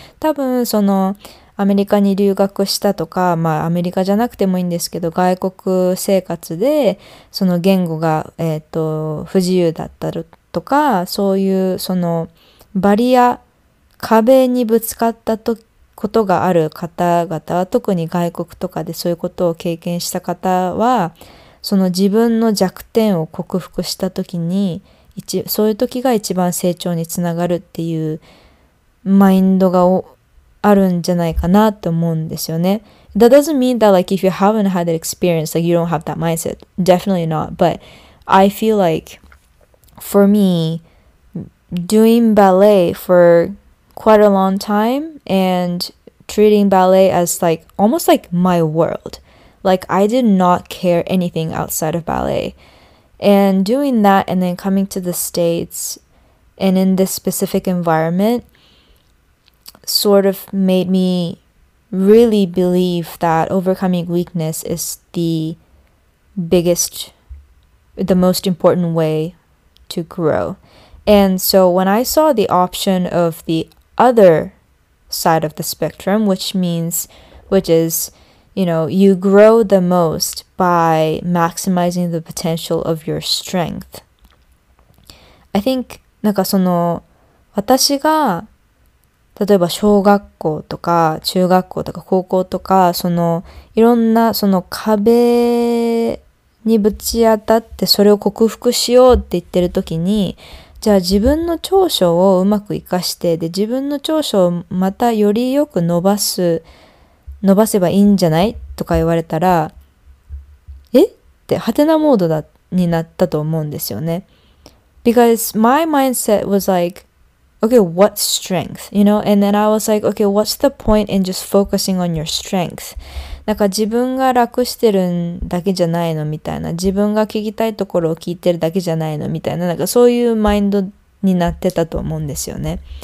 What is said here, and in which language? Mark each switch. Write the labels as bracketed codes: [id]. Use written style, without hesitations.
[ja] 多分そのアメリカに留学したとか、まあアメリカじゃなくてもいいんですけど、外国生活でその言語が不自由だったりとか、そういうそのバリア、壁にぶつかったとことがある方々は、特に外国とかでそういうことを経験した方は、その自分の弱点を克服した時に、そういう時が一番成長につながるっていうマインドがあるんじゃないかなと思うんですよね。 [en] That doesn't mean that like if you haven't had an experience, like you don't have that mindset. Definitely not. But I feel like for me, doing ballet for quite a long time and treating ballet as like almost like my world. Like I did not care anything outside of ballet. And doing that and then coming to the States and in this specific environment sort of made me really believe that overcoming weakness is the most important way to grow. And so when I saw the option of the other side of the spectrum, which is, you grow the most by maximizing the potential of your strength. I think [ja] なんかその私が例えば小学校とか中学校とか高校とか、そのいろんなその壁にぶち当たってそれを克服しようって言ってる時に、じゃあ自分の長所をうまく生かして、で自分の長所をまたよりよく伸ばせばいいんじゃない？とか言われたら、え？ってハテナモードになったと思うんですよね。 [en] Because my mindset was like, okay, what's strength? And then I was like, okay, what's the point in just focusing on your strength? [ja] なんか自分が楽してるんだけじゃないのみたいな、自分が聞きたいところを聞いてるだけじゃないのみたいな、なんかそういうマインドになってたと思うんですよね。